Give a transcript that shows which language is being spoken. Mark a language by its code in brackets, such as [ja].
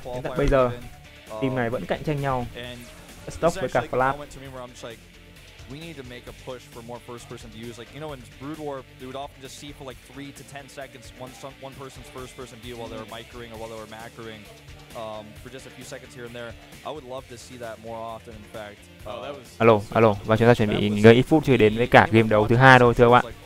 [vi] Đến tận bây giờ team này vẫn cạnh tranh nhau, Stock với cả Flap. [en] We need to make a push for more first person views. Like, you know, in Brood War, they would often just see for like 3 to 10 seconds one person's first person view while they were micering or while they were macroing for just a few seconds here and there. I would love to see that more often, in fact. [vi] Hello, hello. Và chúng ta chuẩn bị ngơi ít phút chưa đến với cả game đấu thứ hai thôi, thưa các bạn.